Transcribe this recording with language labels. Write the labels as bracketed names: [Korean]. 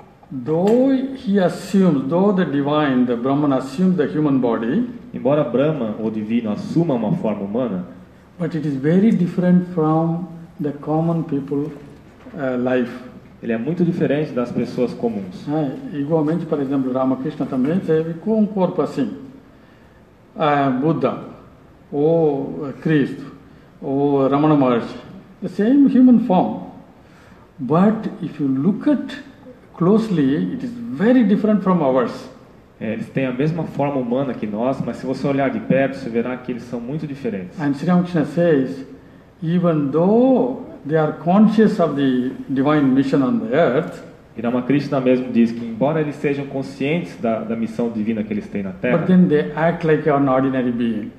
[English] Though he assumes, though the divine, the Brahman assumes the human body... [Portuguese] Embora Brahma, o divino, assuma uma forma humana... [English] But it is very different from the common people life. [Portuguese] Ele é muito diferente das pessoas comuns. Igualmente, por exemplo, Ramakrishna também teve com um corpo assim. [English] Buda, ou Cristo, ou Ramana Maharshi, the same human form. But if you look at closely, it is very different from ours. [Portuguese] Eles têm a mesma forma humana que nós, mas se você olhar de perto, você verá que eles são muito diferentes. [English] And Sri Ramakrishna says, even though they are conscious of the divine mission on the earth. [Portuguese] E Ramakrishna mesmo diz que embora eles sejam conscientes da missão divina que eles têm na Terra, [English] but then they act like an ordinary being.